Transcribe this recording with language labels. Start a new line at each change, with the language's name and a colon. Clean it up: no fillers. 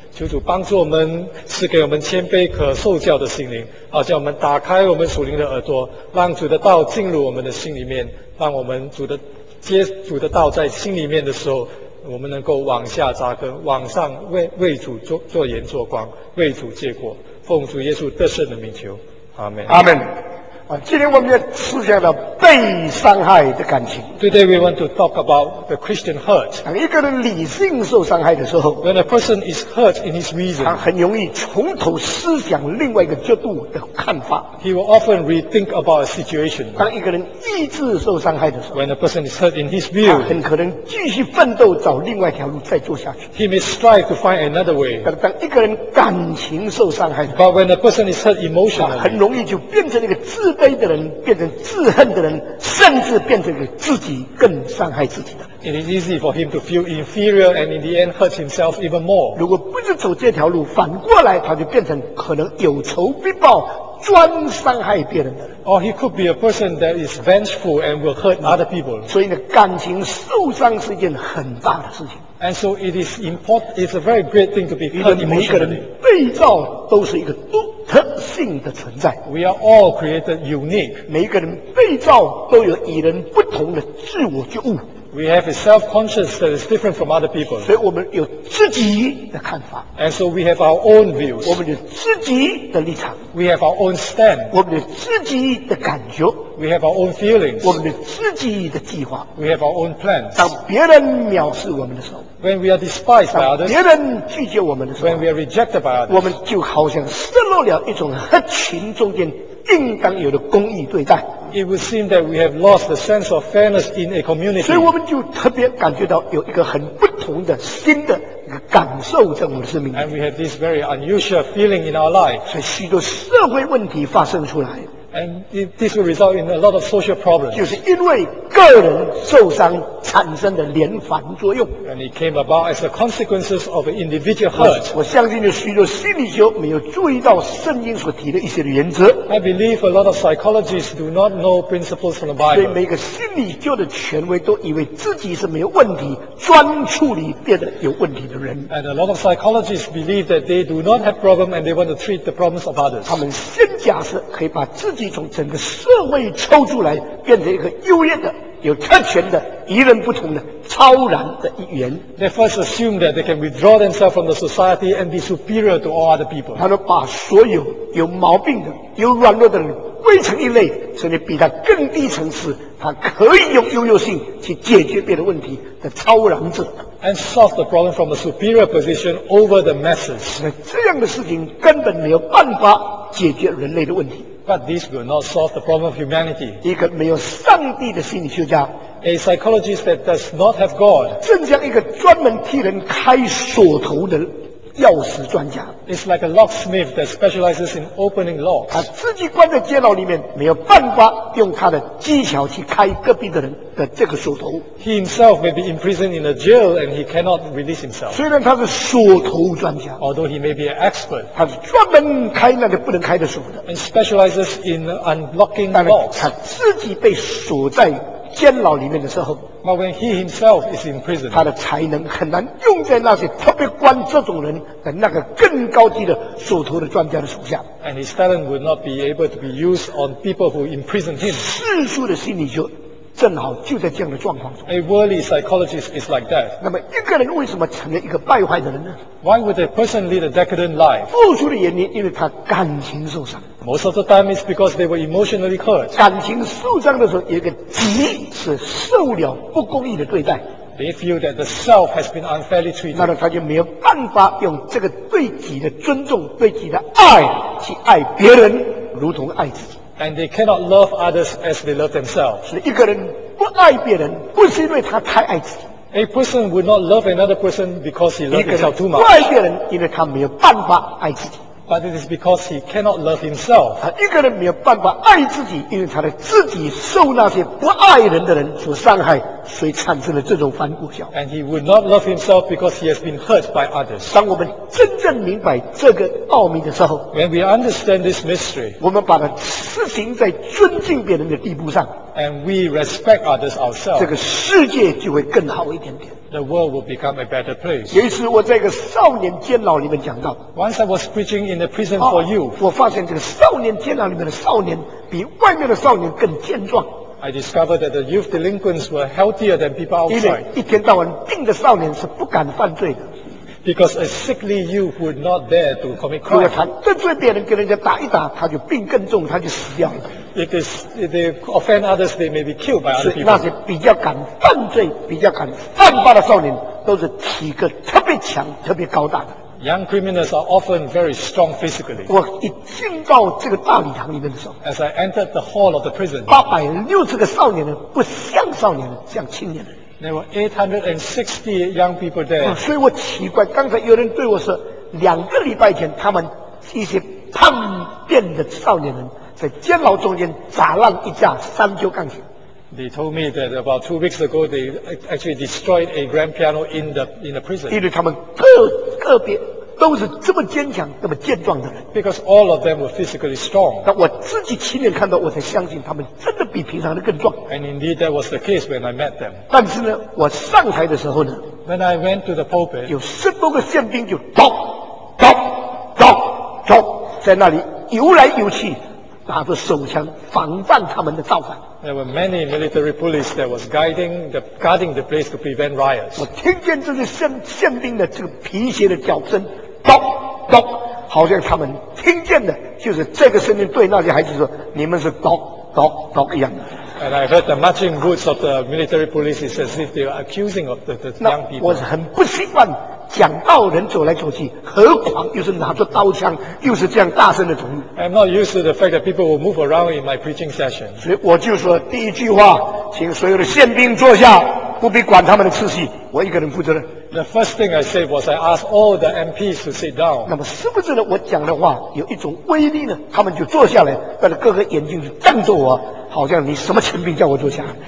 Chinese: 求主帮助我们，赐给我们谦卑可受教的心灵，好叫我们打开我们属灵的耳朵，让主的道进入我们的心里面，让我们接主的道在心里面的时候，我们能够往下扎根，往上 为主做盐做光，为主结果。奉主耶稣得胜的名求，阿们，阿们。今天我们要思想到被伤害的感情。
English: Today we want to talk about the Christian hurt。
Chinese: 当一个人理性受伤害的时候
English: ，When a person is hurt in his reason，
Chinese: 他很容易从头思想另外一个角度的看法。
English: He will often rethink about a situation。
Chinese: 当一个人意志受伤害的时候
English: ，When a person is hurt in his view，
Chinese: 他很可能继续奋斗找另外一条路再做下去。
English: He may strive to find another way。
Chinese: 当一个人感情受伤害的时候
English: ，But when a person is hurt emotionally，
Chinese: 他很容易就变成一个自卑的人变成自恨的人，甚至变成给自己更伤害自己的。
English: It is easy for him to feel inferior and in the end hurt himself even more.
Chinese: 如果不是走这条路，反过来他就变成可能有仇必报，专伤害别人的人。
English: Or he could be a person that is vengeful and will hurt other people.
Chinese: 所以呢，感情受伤是一件很大的事情。
English: And so it is important. It's a very great thing to be hurt emotionally.
Chinese: 每个人被造都是一个独特性的存在。
English: We are all created unique.
Chinese: 每一个人被造都有与人不同的自我觉悟。
English: We have a self-conscious that is different from other people.
Chinese: 所以我们有自己的看法。
English: And so we have our own views.
Chinese: 我们有自己的立场。
English: We have our own stand.
Chinese: 我们有自己的感觉。
English: We have our own feelings.
Chinese: 我们有自己的计划。
English: We have our own plans.
Chinese: 当别人藐视我们的时候。
English: When we are despised by others,
Chinese: 别人拒绝我们的时候
English: ，When we are rejected by others,
Chinese: 我们就好像失落了一种合群中间应当有的公义对待。
English: It would seem that we have lost the sense of fairness in a community.
Chinese: 所以我们就特别感觉到有一个很不同的新的一个感受在我们的生命里。
English: And we have this very unusual feeling in our life.
Chinese: 所以许多社会问题发生出来。
English: And this will result in a lot of social problems.
Chinese: 就是因为个人受伤产生的连环作用。
English: And it came about as the consequences of an individual hurt.
Chinese: 我相信有许多心理学没有注意到圣经所提的一些原则。
English: I believe a lot of psychologists do not know principles from the Bible.
Chinese: 所以每个心理学的权威都以为自己是没有问题，专处理变得有问题的人。
English: And a lot of psychologists believe that they do not have problems and they want to treat the problems of others.
Chinese: 他们先假设可以把自己从整个社会抽出来，变成一个优越的、有特权的、与人不同的、超然的一员。
English: They first assume that they can withdraw themselves from the society and be superior to all other people.
Chinese: 他们把所有有毛病的、有软弱的人归成一类，甚至比他更低层次，他可以用优越性去解决别的问题的超然者。
English: And solve the problem from a superior position over the masses.
Chinese: 那这样的事情根本没有办法解决人类的问题。
English: But this will not solve the problem of humanity.
Chinese: 一个没有上帝的心理学家，
English: a psychologist that does not have God,
Chinese: 正像一个专门替人开锁头的钥匙专家，
English: it's like a locksmith that specializes in opening locks.
Chinese: 他自己关在监牢里面，没有办法用他的技巧去开隔壁的人的这个锁头。
English: He himself may be imprisoned in a jail and he cannot release himself.
Chinese: 虽然他是锁头专家，
English: although he may be an expert,
Chinese: 他是专门开那个不能开的锁的，
English: and specializes in unlocking locks.
Chinese: 他自己被锁在监牢里面的时候，
English: But when he himself is in prison,
Chinese: 他的才能很难用在那些特别关这种人的那个更高级的锁头的专家的手下。
English: And his talent would not be able to be used on people who imprison him.
Chinese: 世俗的心理学正好就在这样的状况中。
English: A worldly psychologist is like that.
Chinese: 那么一个人为什么成了一个败坏的人呢？
English: Why would a person lead a decadent life?
Chinese: 付出的原因，因为他感情受伤。
English: Most of the time it's because they were emotionally hurt.
Chinese: 感情受伤的时候，有一个极是受了不公义的对待。
English: They feel that the self has been unfairly treated.
Chinese: 那么他就没有办法用这个对己的尊重、对己的爱去爱别人，如同爱自己。
English: And they cannot love others as they love themselves.
Chinese: 所以一个人不爱别人，不是因为他太爱自己。
English: A person would not love another person because he loves himself too much.
Chinese: 不爱别人，因为他没有办法爱自己。
English: But it is because he cannot love himself.
Chinese: 一个人没有办法爱自己，因为他的自己受那些不爱人的人所伤害，所以产生了这种反骨效。
English: And he would not love himself because he has been hurt by others.
Chinese: 当我们真正明白这个奥秘的时候，
English: When we understand this mystery,
Chinese: 我们把它实行在尊敬别人的地步上，
English: And we respect others ourselves,
Chinese: 这个世界就会更好一点点。
English: The world will become a better place.
Chinese: 有一次我在一个少年监牢里面讲到，
English: Once I was preaching in a prison for you,
Chinese: 我发现这个少年监牢里面的少年比外面的少年更健壮。
English: I discovered that the youth delinquents were healthier than people outside.
Chinese: 因为一天到晚病的少年是不敢犯罪的。
English: Because a sickly youth would not dare to commit crime.
Chinese: 如果他得罪别人，跟人家打一打，他就病更重，他就死掉了。
English: If they offend others, they may be killed by other people.
Chinese: 那些比较敢犯罪、比较敢犯法的少年，都是体格特别强、特别高大的。
English: Young criminals are often very strong physically.
Chinese: 我一进到这个大礼堂里面的时候，
English: As I entered the hall of the prison,
Chinese: 860个少年人不像少年人，像青年人。
English: There were 860 young people there.
Chinese: 所以我奇怪，刚才有人对我说，两个礼拜前他们一些叛变的少年人在监牢中间砸烂一架三角钢琴。
English: They told me that about 2 weeks ago they actually destroyed a grand piano in the prison.
Chinese: 因为他们个别都是这么坚强、这么健壮的人。
English: Because all of them were physically strong.
Chinese: 那我自己亲眼看到，我才相信他们真的比平常的更壮。
English: And indeed that was the case when I met them.
Chinese: 但是呢，我上台的时候呢，
English: When I went to the pulpit,
Chinese: 有10多个宪兵就咚咚咚咚在那里游来游去。拿着手枪防范他们的造反。
English: There were many military police that was guarding the place to prevent riots.
Chinese: 我听见这些宪兵的这个皮鞋的脚声，咚咚，好像他们听见的就是这个声音对那些孩子说：“你们是咚咚咚一样的。”
English: And I heard the marching boots of the military police is as if they were accusing of the young people.
Chinese: 我是很不习惯讲道人走来走去，何况又是拿着刀枪，又是这样大声的走。
English: I'm not used to the fact that people will move around in my preaching session.
Chinese: 所以我就说第一句话，请所有的宪兵坐下。不必管他们的次序，我一个人负责任。
English: The first thing I said was I asked all the MPs to sit down.
Chinese: 那么是不是呢？我讲的话有一种威力呢？他们就坐下来，把各个眼睛瞪着我，好像你什么权柄叫我坐下